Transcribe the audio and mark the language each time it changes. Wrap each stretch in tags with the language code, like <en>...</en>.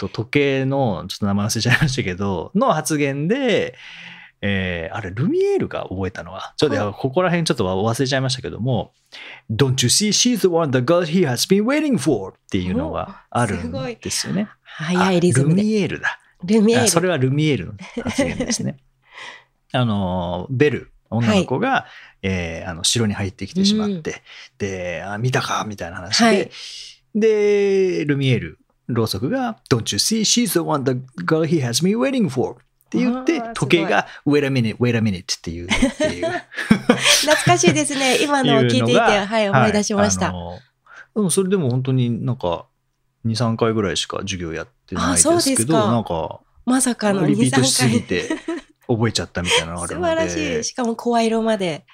<ja>時計のちょっと名前忘れちゃいましたけどの発言で、あれルミエールが覚えたのはちょっとここら辺ちょっと忘れちゃいましたけども、はい、</ja> <en>Don't you see she's the one that God he has been waiting for</en> <ja>っていうのがあるんですよね。すごい早いリズムで、ルミエールだ、ルミエール、それはルミエールの発言ですねベル女の子が、はい、城に入ってきてしまって、うん、で、あ、見たかみたいな話で、はい、でルミエールろうそくが</ja> <en>Don't you see she's the one that God he has been waiting for</en> <ja>って言って時計が</ja> <en>Wait a minute, wait a minute</en> <ja>っていう懐かしいですね、今のを聞いていて、はい、思い出しました、はい、でもそれでも本当になんか 2,3 回ぐらいしか授業やってないですけど、あ、そうですか、なんかまさかの 2,3 回リピートしすぎて覚えちゃったみたいなのがあるので素晴らしい、しかも声色まで、</ja>